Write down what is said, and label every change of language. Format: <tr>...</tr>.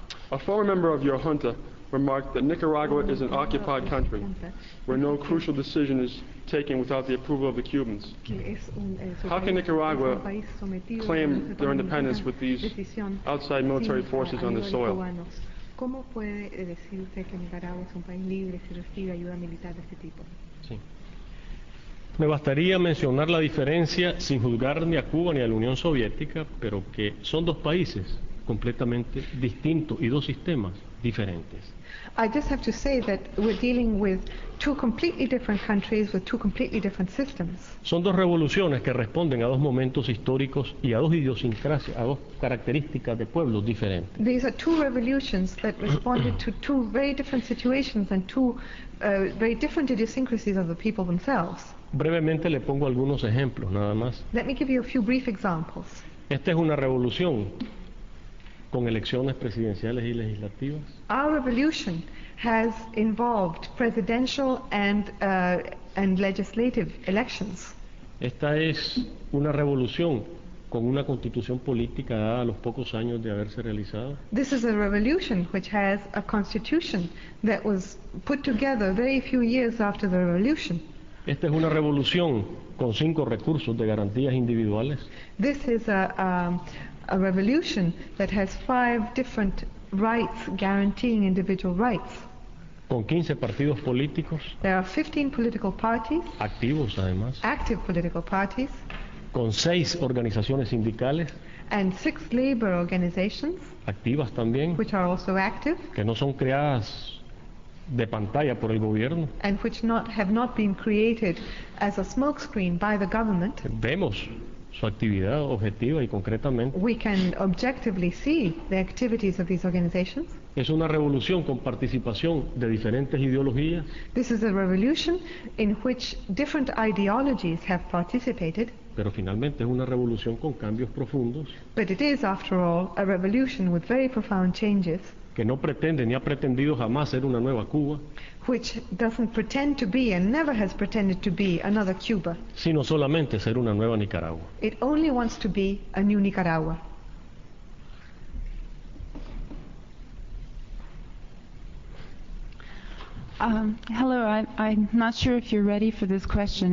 <en>A former member of your junta remarked that Nicaragua is an occupied country where no crucial decision is taken without the approval of the Cubans. How can Nicaragua claim their independence with these outside military forces on the soil?</en> <es>¿Cómo puede decir usted que Nicaragua es un país libre si recibe ayuda militar de este tipo? Sí. Me bastaría mencionar la diferencia sin juzgar ni a Cuba ni a la Unión Soviética, pero que son dos países completamente distintos y dos sistemas diferentes.</es> <en>I just have to say that we're dealing with two completely different countries with two completely different systems.</en> <es>Son dos revoluciones que responden a dos momentos históricos y a dos idiosincrasias, a dos características de pueblos diferentes.</es> <en>These are two revolutions that responded to two very different situations and two very different idiosyncrasies of the people themselves.</en> <es>Brevemente le pongo algunos ejemplos, nada más.</es> <en>Let me give you a few brief examples.</en> <es>Esta es una revolución con elecciones presidenciales y legislativas.</es> <en>Our revolution has involved presidential and legislative elections.</en> <es>Esta es una revolución con una constitución política dada a los pocos años de haberse realizado.</es> <en>This is a revolution which has a constitution that was put together very few years after the revolution.</en> <es>Esta es una revolución con cinco recursos de garantías individuales.</es> <en>This is a revolution that has five different rights guaranteeing individual rights.</en> <es>Con 15 partidos políticos.</es> <en>There are 15 political parties.</en> <es>Activos, además.</es> <en>Active political parties.</en> <es>Con 6 organizaciones sindicales.</es> <en>And 6 labor organizations.</en> <es>Activas también.</es> <en>Which are also active.</en> <es>Que no son creadas de pantalla por el gobierno.</es> <en>And which have not been created as a smokescreen by the government.</en> <es>Vemos su actividad objetiva y concretamente.</es> <en>We can objectively see the activities of these organizations.</en> <es>Es una revolución con participación de diferentes ideologías.</es> <en>This is a revolution in which different ideologies have participated.</en> <es>Pero finalmente es una revolución con cambios profundos.</es> <en>But it is, after all, a revolution with very profound changes.</en> <es>Que no pretende ni ha pretendido jamás ser una nueva Cuba,</es> <en>which doesn't pretend to be and never has pretended to be another Cuba,</en> <es>sino solamente ser una nueva Nicaragua.</es> <en>It only wants to be a new Nicaragua. Hello, I'm not sure if you're ready for this question.</en>